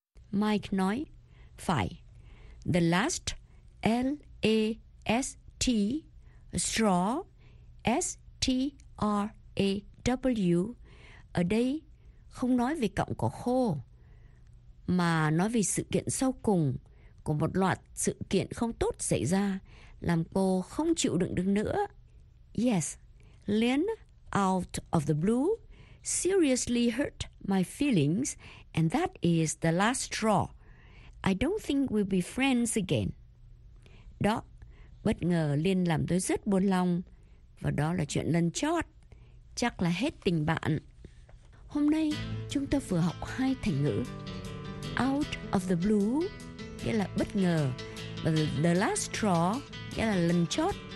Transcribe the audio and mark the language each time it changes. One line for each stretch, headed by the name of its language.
Vietnamese: Mike nói, phải,
English: the last L-A-S-T straw, S-T-R-A-W,
Vietnamese: ở đây không nói về cọng cỏ khô, mà nói về sự kiện sau cùng của một loạt sự kiện không tốt xảy ra, làm cô không chịu đựng được nữa.
English: Yes, Lynn, out of the blue, seriously hurt my feelings, and that is the last straw. I don't think we'll be friends again.
Vietnamese: Đó, bất ngờ Lynn làm tôi rất buồn lòng, và đó là chuyện lần chót, chắc là hết tình bạn. Hôm nay, chúng ta vừa học hai thành ngữ.
English: Out of the blue,
Vietnamese: nghĩa là bất ngờ, và
English: the last straw,
Vietnamese: nghĩa là lần chót.